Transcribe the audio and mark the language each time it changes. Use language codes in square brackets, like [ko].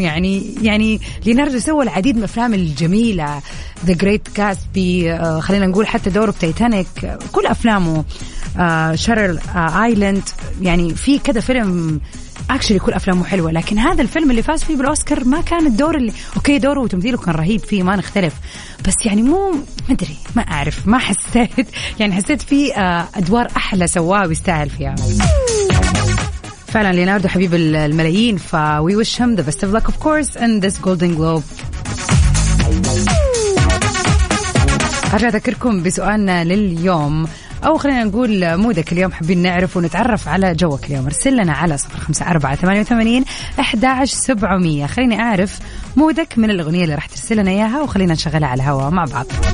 [ar] يعني ليناردو سوى العديد من أفلام الجميلة، The Great Gatsby، خلينا نقول حتى دوره بتايتانيك، كل أفلامه شارل آيلاند، يعني في كذا فيلم أكشلي كل أفلامه حلوة، لكن هذا الفيلم اللي فاز فيه بالأوسكار ما كان الدور اللي أوكي، دوره وتمثيله كان رهيب فيه ما نختلف، بس يعني مو مدري ما أعرف ما حسيت، يعني حسيت فيه أدوار أحلى سواه ويستاهل فيها. فعلا ليناردو حبيب الملايين، [en] ف we wish him the best of luck of course in this golden globe. [ar] أرجع أذكركم بسؤالنا لليوم، أو خلينا نقول مودك اليوم، حابين نعرف ونتعرف على جوك اليوم، ارسل لنا على 054-88-11700، خليني أعرف مودك من الأغنية اللي راح ترسل لنا إياها، وخلينا نشغلها على الهواء مع بعض.